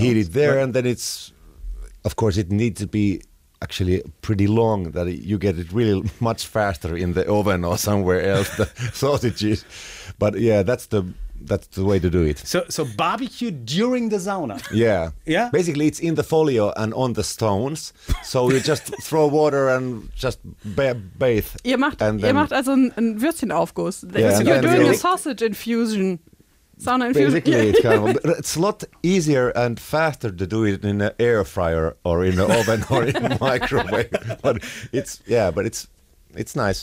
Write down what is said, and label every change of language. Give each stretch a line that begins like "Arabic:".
English: Heat it there, right. And then it's of course it needs to be actually pretty long that you get it really much faster in the oven or somewhere else the sausages, but yeah, that's the way to do it. So barbecue during the sauna. Yeah. Yeah. Basically, it's in the folio and on the stones, so you just throw water and just bathe.
German: Ihr macht also ein Würstchenaufguss.
English: Yeah, you're and doing a sausage infusion. Sauna infusion. Basically, it's a lot easier and faster to do it in an air fryer or in an oven or in a microwave. But it's nice.